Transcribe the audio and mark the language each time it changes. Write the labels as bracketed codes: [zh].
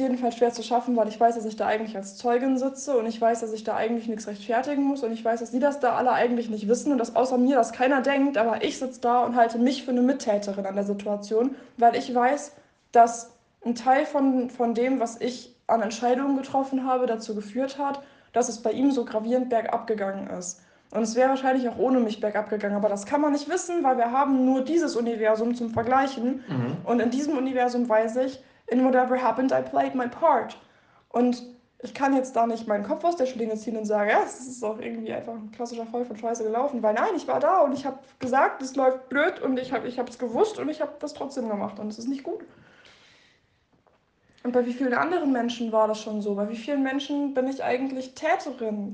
[de] jedenfalls schwer zu schaffen, weil ich weiß, dass ich da eigentlich als Zeugin sitze und ich weiß, dass ich da eigentlich nichts rechtfertigen muss und ich weiß, dass die das da alle eigentlich nicht wissen und dass außer mir das keiner denkt, aber ich sitze da und halte mich für eine Mittäterin an der Situation, weil ich weiß, dass ein Teil von dem, was ich an Entscheidungen getroffen habe, dazu geführt hat, dass es bei ihm so gravierend bergab gegangen ist. Und es wäre wahrscheinlich auch ohne mich bergab gegangen, aber das kann man nicht wissen, weil wir haben nur dieses Universum zum Vergleichen und in diesem Universum weiß ich, [en] In whatever happened, I played my part. [de] Und ich kann jetzt da nicht meinen Kopf aus der Schlinge ziehen und sagen, ja, es ist auch irgendwie einfach ein klassischer Fall von Scheiße gelaufen, weil nein, ich war da und ich habe gesagt, es läuft blöd und ich habe es gewusst und ich habe das trotzdem gemacht und es ist nicht gut. Und bei wie vielen anderen Menschen war das schon so? Bei wie vielen Menschen bin ich eigentlich Täterin?